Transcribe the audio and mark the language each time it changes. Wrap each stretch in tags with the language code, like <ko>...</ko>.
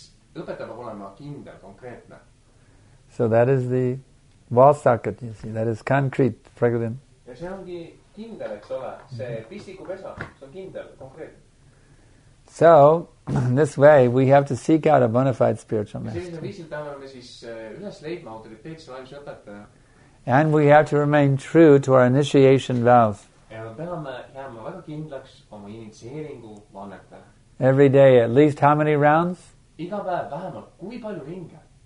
<et>Õpetaja peab olema kindel, konkreetne.</et> <en>So that is the wall socket, you see. That is concrete, pragadin.</en> <et>Ja see ongi kindel, eks ole. See pistiku pesa, see on kindel, konkreetne.</et> <en>So, in this way, we have to seek out a bona fide spiritual master.</en> <et>Ja sellisel viisil tähendame siis üles leidma autoriteetse vaimse õpetaja.</et> <en>And we have to remain true to our initiation vows.</en> <et>Ja me peame jääma väga kindlaks oma initsieeringu vannete.</et> <en>Every day, at least how many rounds?</en> <et>Iga päev vähemalt kui palju ringe?</et>